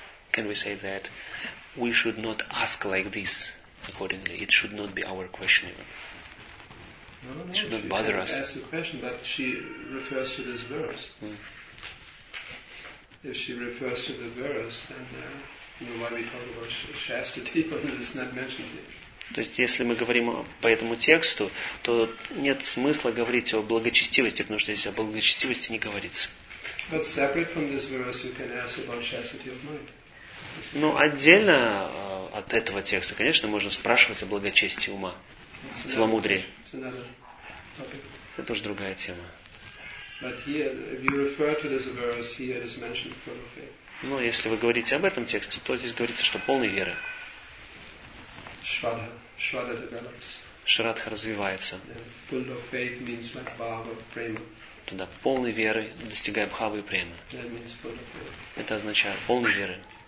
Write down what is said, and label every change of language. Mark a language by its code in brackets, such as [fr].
[en] Can we say that we should not ask like this accordingly? It should not be our question even. No, it should not bother us. She asks the question, but she refers to this verse. Mm. If she refers to the verse, then why we talk about chastity when it's not mentioned here? [ru] То есть, если мы говорим по этому тексту, то нет смысла говорить о благочестивости, потому что здесь о благочестивости не говорится. [en] But separate from this verse, you can ask about chastity of mind. [ru] Но отдельно от этого текста, конечно, можно спрашивать о благочестии ума, целомудрии. Это уже другая тема. [en] But here, if you refer to this verse, here is mentioned full of faith. [ru] Но если вы говорите об этом тексте, то здесь говорится, что полной веры. [sa] Shraddha [ru] развивается. [en] Full of faith means like bhava, prema. [ru] Туда полной веры, достигая бхавы и премы. Это означает полной веры.